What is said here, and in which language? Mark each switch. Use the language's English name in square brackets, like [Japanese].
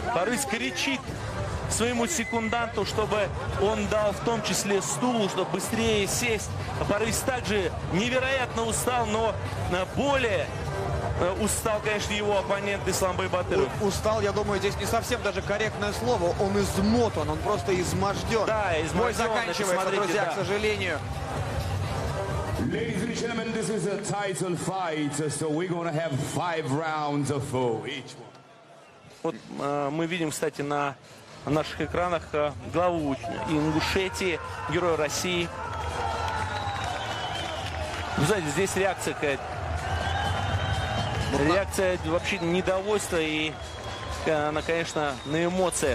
[Russian] Парвиз кричит своему секунданту, чтобы он дал в том числе стул, чтобы быстрее сесть. Парвиз также невероятно устал, но более устал, конечно, его оппонент Ислам Байбатыров. Устал, я думаю, здесь не совсем даже корректное слово. Он измотан, он просто изможден. Да, измотан. Бой заканчивается, смотрите, друзья, да, к сожалению. [English] Ladies and gentlemen, this is a title fight, so we're gonna have five rounds of four each one. [Russian] Вот мы видим, кстати, на наших экранах главу Ингушетии, героя России. Вы знаете, здесь реакция какая-то. Реакция вообще недовольства и она, конечно, на эмоции.